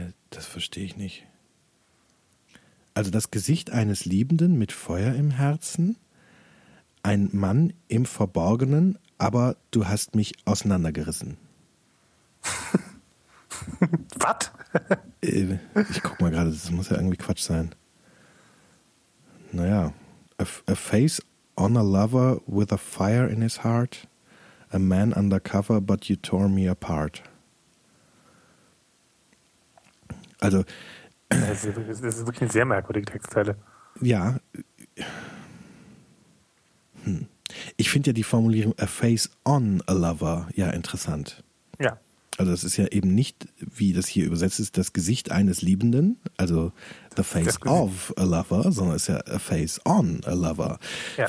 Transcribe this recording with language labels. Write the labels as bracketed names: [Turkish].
[German] Das verstehe ich nicht. Also das Gesicht eines Liebenden mit Feuer im Herzen, ein Mann im Verborgenen, aber du hast mich auseinandergerissen. Was? Ich guck mal gerade, das muss ja irgendwie Quatsch sein. [English] Naja, a face on a lover with a fire in his heart, a man undercover, but you tore me apart. [German] Also, das ist wirklich eine sehr merkwürdige Textzeile. Ja. Ich finde ja die Formulierung [English] a face on a lover [German] ja interessant. Ja. Also das ist ja eben nicht, wie das hier übersetzt ist, das Gesicht eines Liebenden, also [English] the face of a lover, [German] sondern es ist ja [English] a face on a lover. [German] Ja.